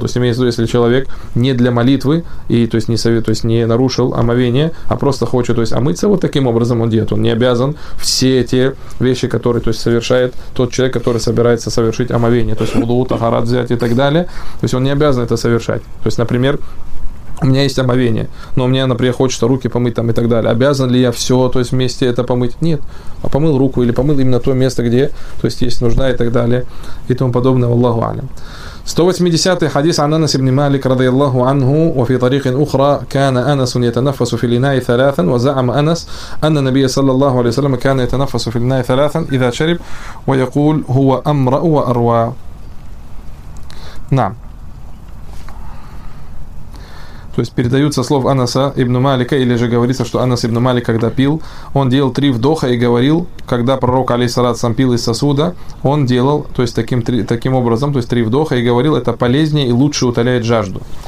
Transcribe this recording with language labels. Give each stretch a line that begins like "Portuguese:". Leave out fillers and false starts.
Russian: То есть имеется в виду, если человек не для молитвы и то есть не совет, то есть не нарушил омовение, а просто хочет, то есть омыться, вот таким образом он делает. Он не обязан все те вещи, которые то есть совершает тот человек, который собирается совершить омовение, то есть вуду, тахарат взять и так далее. То есть он не обязан это совершать. То есть, например, у меня есть омовение, но мне, например, хочется руки помыть там и так далее. Обязан ли я все, то есть вместе это помыть? Нет. А помыл руку или помыл именно то место, где, то есть есть нужда и так далее и тому подобное.
Arabic: Аллаху алям.
Russian: 180-й хадис
Arabic: عن انس بن مالك رضي الله عنه وفي طريق اخرى كان انس يتنفس في الاناء ثلاثا وزعم انس ان النبي صلى الله عليه وسلم كان يتنفس في الاناء ثلاثا اذا شرب ويقول هو امرا واروا. نعم.
Russian: То есть передаются слов Анаса ибн Малика, или же говорится, что Анас ибн Малик, когда пил, он делал три вдоха и говорил, когда пророк, алейхиссалям, пил из сосуда, он делал, то есть таким образом, то есть три вдоха и говорил, это полезнее и лучше утоляет жажду.